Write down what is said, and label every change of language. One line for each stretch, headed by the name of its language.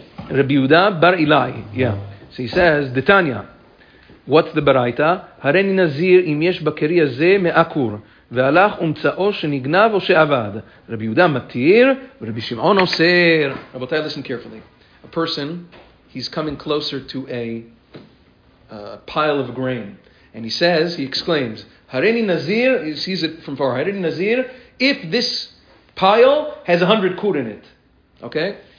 English: Rabbi Yehuda bar Ilai. Yeah. So he says, Detanya, what's the Baraita?
Hebrew: Hareni Nazir im yesh bakeri hazeh me'akur. והלך ומצאו שנגנב או שעבד. רבי יהודה מתיר, ורבי שמעון אוסר. רבותיי,
English: listen carefully. A person, he's coming closer to a pile of grain. And he says, he exclaims,
Hebrew: הריני נזיר,
English: he sees it from far, הריני נזיר, if this pile has 100 קור in it. Okay?